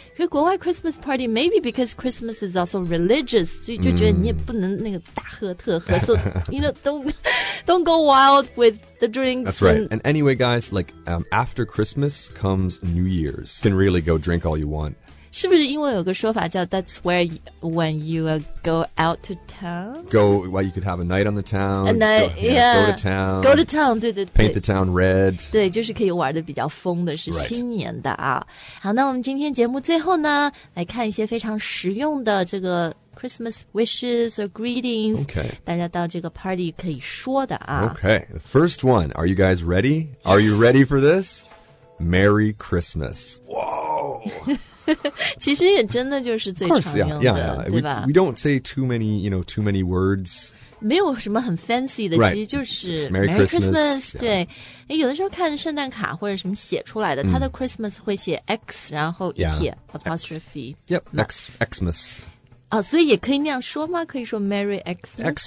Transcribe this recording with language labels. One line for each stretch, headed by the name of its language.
Chinese: 因为国外
English: Christmas party maybe because Christmas is also religious
Chinese: 所以就觉得你也不能那个大喝特喝
English: so you know don't go wild with the drinks that's right and anyway guys like after Christmas comes New Year's can really go drink all you want
Chinese: 是不是因为有个说法叫
English: that's where when you go out to town go well you could have a night on the town a night go, yeah, yeah go to town
Chinese: 对对
English: paint the town red
Chinese: 对就是可以玩的比较疯的是新年的啊、
English: right.
Chinese: 好那我们今天节目最后呢来看一些非常实用的这个
English: Christmas wishes or greetings. Okay.
Chinese: 大家到这个 party 可以说的啊。
English: Okay, the first one. Are you guys ready? Are you ready for this? Merry Christmas. Whoa!
Chinese: 其实也真的就是最常用的
English: yeah.
Chinese: 对吧
English: we don't say too many, you know, too many words.
Chinese: 没有什么很 fancy 的、
English: right.
Chinese: 其实就是
English: Merry Christmas, Christmas、
Chinese: yeah. 对有的时候看圣诞卡或者什么写出来的、mm. 它的 Christmas 会写 X 然后一撇、
English: yeah. apostrophe Yep, Xmas、
Chinese: 啊、所以也可以那样说吗可以说 Merry Xmas